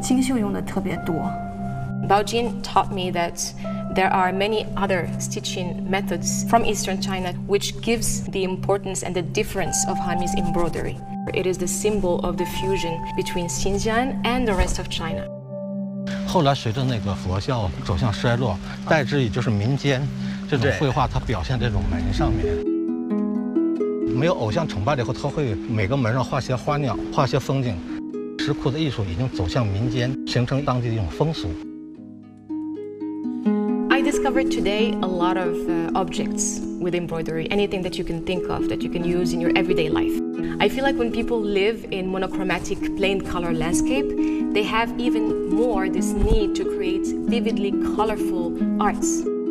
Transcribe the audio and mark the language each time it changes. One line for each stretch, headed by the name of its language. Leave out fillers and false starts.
Chinese: 像苏绣是慢慢的一层一层在过渡，我们哈密刺绣呢，它是一层一层的很明显的在过渡。嗯，这是一种平针的针法，精绣用的特别多。Baojin
English: taught me that there are many other stitching methods from Eastern China which gives the importance and the difference of Hami's embroidery. It is the symbol of the fusion between Xinjiang and the rest of China.
Chinese: 后来随着那个佛教走向衰落，代之以就是民间。这种绘画，它表现这种门上面，没有偶像崇拜了以后，它会每个门上画些花鸟，画些风景。石窟的艺术已经走向民间，形成当地的一种风俗。
English: I discovered today a lot of objects with embroidery, anything that you can think of that you can use in your everyday life. I feel like when people live in monochromatic, plain color landscape, they have even more this need to create vividly colorful arts.